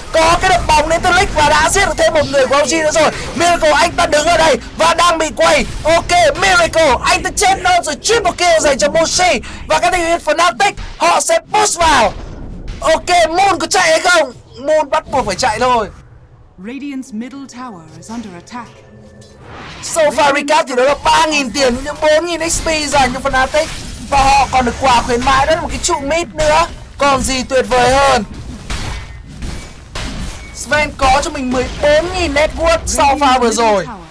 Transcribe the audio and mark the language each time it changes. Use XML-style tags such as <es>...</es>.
<vi>Có cái đập bóng đến từ Lick và đã giết được thêm một người của OG nữa rồi. Miracle anh ta đứng ở đây và đang bị quay. Ok, Miracle anh ta chết non rồi. Triple kill dành cho Mushi. Và các thành viên Fnatic họ sẽ push vào. Ok, Moon có chạy hay không? Moon bắt buộc phải chạy thôi.</vi> <en>Radiant's middle tower is under attack. So far</en> <vi>Ricard thì đó là 3.000 tiền, những 4.000 XP dành cho Fnatic. Và họ còn được quà khuyến mãi, đó là một cái trụ mid nữa. Còn gì tuyệt vời hơn. Sven có cho mình 14.000 net worth</vi> <en>so far</en> <vi>vừa rồi.</vi>